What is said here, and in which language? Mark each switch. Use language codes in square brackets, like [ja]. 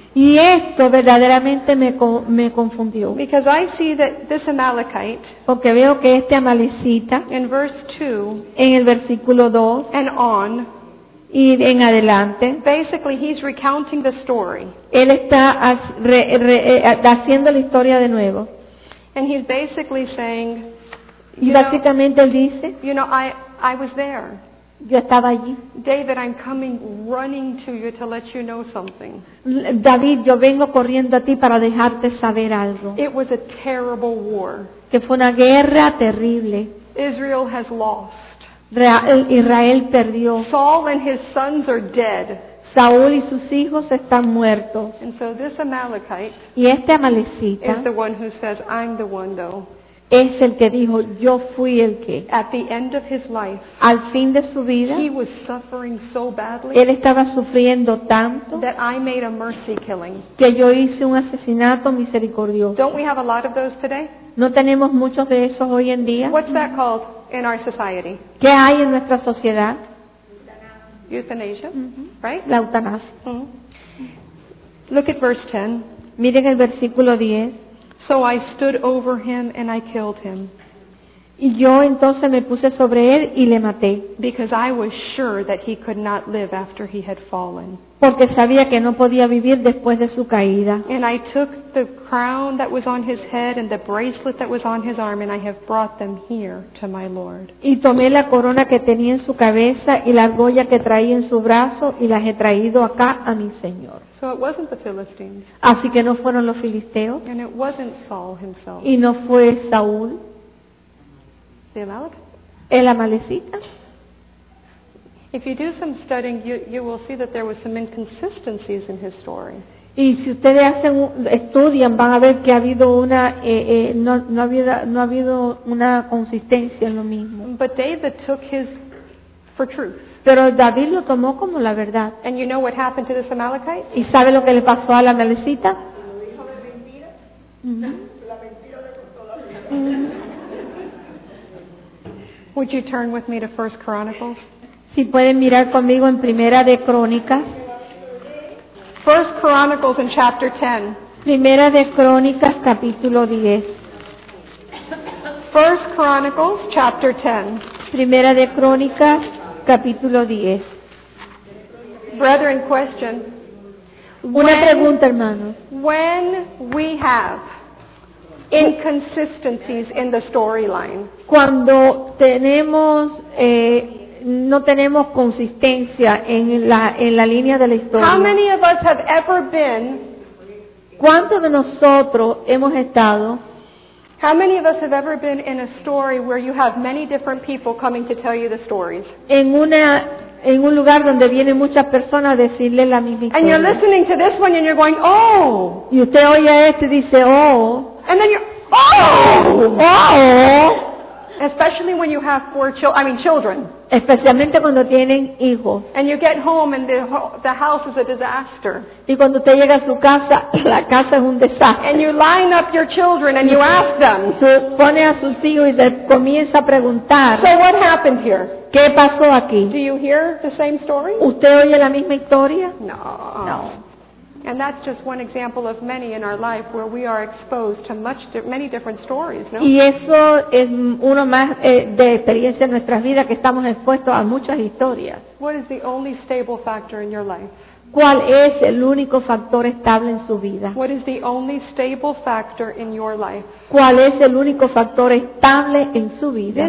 [es] Y esto verdaderamente me confundió. [en] Because I see that this Amalekite, [es] porque veo que este amalecita, [en] in verse 2, [es] en el versículo 2, [en] and on, [es] y en adelante, [en] basically he's recounting the story. [es] Él está haciendo la historia de nuevo. [en] And he's basically saying, [es] y básicamente él dice, [en] you know, I was there. [es] Yo estaba allí. [en] David, I'm coming running to you to let you know something. [es] David, yo vengo corriendo a ti para dejarte saber algo. [en] It was a terrible war. [es] Que fue una guerra terrible. [en] Israel has lost. [es] Israel perdió. [en] Saul and his sons are dead. [es] Saúl y sus hijos están muertos. [en] And so this Amalekite, [es] y este amalecita, [en] is the one who says, I'm the one though. [es] Es el que dijo, yo fui el que. [en] At the end of his life, [es] al fin de su vida, [en] he was suffering so badly, [es] él estaba sufriendo tanto, [en] that I made a mercy killing, [es] que yo hice un asesinato misericordioso. [en] Don't we have a lot of those today? [es] ¿No tenemos muchos de esos hoy en día? [en] What's that called in our society? [es] ¿Qué hay en nuestra sociedad? [en] Euthanasia, mm-hmm. Right? [es] La eutanasia. Mm-hmm. [en] Look at verse 10. [es] Miren el versículo 10. [en] So I stood over him and I killed him. [es] Y yo entonces me puse sobre él y le maté. [en] Because I was sure that he could not live after he had fallen. [es] Porque sabía que no podía vivir después de su caída. [en] And I took the crown that was on his head and the bracelet that was on his arm and I have brought them here to my Lord. [es] Y tomé la corona que tenía en su cabeza y la argolla que traía en su brazo y las he traído acá a mi Señor. [en] So it wasn't the Philistines. [es] Así que no fueron los filisteos. [en] And it wasn't Saul himself. [es] Y no fue Saúl. [en] The Amalekite. [es] El amalecita. [en] If you do some studying, you will see that there were some inconsistencies in his story. [es] Y si ustedes hacen estudian, van a ver que ha habido una no ha habido una consistencia en lo mismo. [en] But David took his for truth. [es] Pero David lo tomó como la verdad. [en] And you know what happened to this Amalekite? [es] ¿Y sabe lo que le pasó a la amalecita? Lo dijo de mentira. Mm-hmm. La mentira le costó la vida. [en] Would you turn with me to 1 Chronicles? [es] Si pueden mirar conmigo en Primera de Crónicas. [en] 1 Chronicles in chapter 10. [es] Primera de Crónicas capítulo 10. [en] 1 Chronicles chapter 10. [es] Primera de Crónicas capítulo 10. [en] Brethren, question. [es] Una pregunta, hermanos. [en] When we have inconsistencies in the storyline. [es] Cuando tenemos no tenemos consistencia en la línea de la historia. [en] How many of us have ever been? [es] ¿Cuántos de nosotros hemos estado? [en] How many of us have ever been in a story where you have many different people coming to tell you the stories? [es] En un lugar donde vienen muchas personas a decirle la misma historia. [en] And you're listening to this one and you're going, oh. [es] Y usted oye a este y dice, oh. [en] And then you're, oh. Especially when you have children. [es] Especialmente cuando tienen hijos. [en] And you get home and the house is a disaster. [es] Y cuando usted llega a su casa, la casa es un desastre. [en] And you line up your children and you ask them. [es] Pone a sus hijos y les comienza a preguntar. [en] So what happened here? [es] ¿Qué pasó aquí? [en] Do you hear the same story? [es] ¿Usted oye la misma historia? [en] No. [es] No. [en] And that's just one example of many in our life where we are exposed to many different stories, no? [es] Y eso es uno más de experiencia en nuestras vidas, que estamos expuestos a muchas historias. [en] What is the only stable factor in your life? [es] ¿Cuál es el único factor estable en su vida? [en] What is the only stable factor in your life? [es] ¿Cuál es el único factor estable en su vida?